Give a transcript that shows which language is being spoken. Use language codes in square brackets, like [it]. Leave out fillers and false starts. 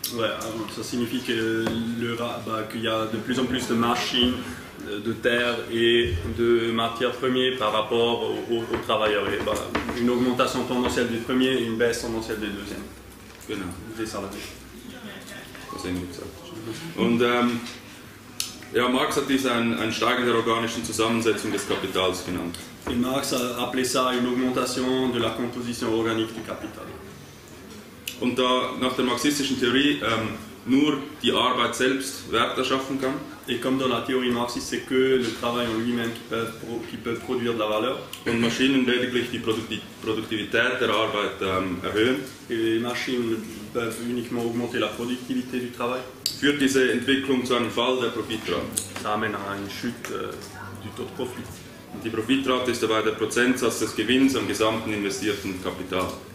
[fr] Ouais, ça signifie qu'il y a de plus en plus de machines, de terres et de matières premières par rapport aux travailleurs. Et voilà, une augmentation tendancielle des premiers et une baisse tendancielle des deuxièmes. [de] Genau. [fr] Des salariés. Ça c'est une exacte. [de] Und ja, Marx hat dies ein Steigen der organischen Zusammensetzung des Kapitals genannt. [fr] Et Marx a appelé ça une augmentation de la composition organique du capital. [de] Und da nach der marxistischen Theorie nur die Arbeit selbst Wert erschaffen kann. [fr] Et comme dans la théorie marxiste, c'est que le travail en lui-même qui peut produire de la valeur. [de] Und Maschinen lediglich die Produktivität der Arbeit erhöhen. [fr] Et les machines peuvent uniquement augmenter la productivité du travail. [de] Führt diese Entwicklung zu einem Fall der Profitrate. [fr] Ça amène à une chute du taux de profit. [de] Und die Profitrate ist dabei der Prozentsatz des Gewinns am gesamten investierten Kapital.